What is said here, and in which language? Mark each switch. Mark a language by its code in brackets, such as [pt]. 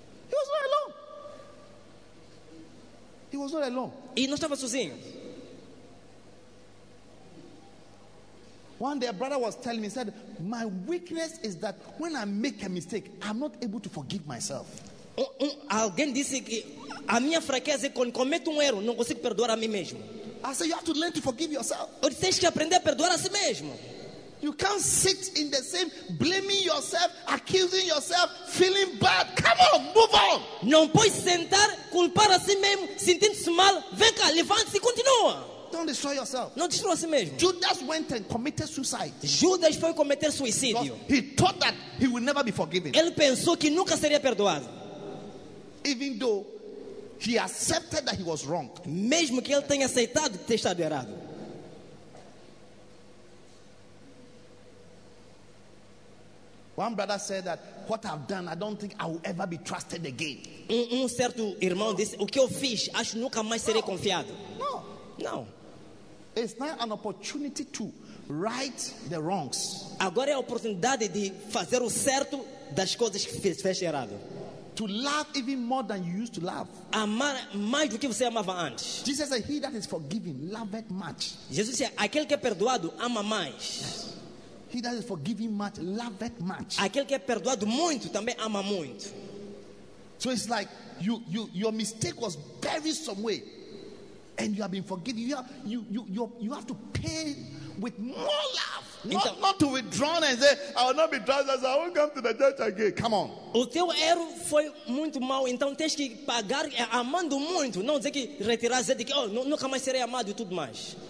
[en] He was not alone. He was not alone. [pt] E não estava sozinho. [en] One day a brother was telling me, he said, "My weakness is that when I make a mistake, I'm not able to forgive myself." [pt] Alguém disse que a minha fraqueza é quando cometo erro, não consigo perdoar a mim mesmo. [en] I said, "You have to learn to forgive yourself." [pt] Eu disse, tens que aprender a perdoar a si mesmo. [en] You can't sit in the same blaming yourself, accusing yourself, feeling bad. Come on, move on. [pt] Não pode sentar, culpar a si mesmo, sentindo-se mal. Vem cá, levante-se e continua. [en] Don't destroy yourself. [pt] Não destrua a si mesmo. [en] Judas went and committed suicide. [pt] Judas foi cometer suicídio. [en] Because he thought that he would never be forgiven. [pt] Ele pensou que nunca seria perdoado. [en] Even though he accepted that he was wrong. [pt] Mesmo que ele tenha aceitado ter estado errado. [en] One brother said that what I've done, I don't think I will ever be trusted again. [pt] Um certo irmão disse, o que eu fiz, acho nunca mais serei confiado. [en] No. No. It's not an opportunity to right the wrongs. [pt] Agora é a oportunidade de fazer o certo das coisas que fez errado. [en] To love even more than you used to love. [pt] Amar mais do que você amava antes. [en] Jesus said, "He that is forgiven loveth much." [pt] Jesus disse, aquele que é perdoado ama mais. [en] He that is forgiven much loveth much. [pt] Aquele que é perdoado muito também ama muito. [en] So it's like your mistake was buried some way, and you have been forgiven. You have to pay with more love. Not to withdraw and say, "I will not be drawn as I won't come to the church again." Come on. [pt] O teu erro foi muito mau, então tens que pagar amando muito, não dizer que retirar, dizer que oh, nunca mais serei amado e tudo mais.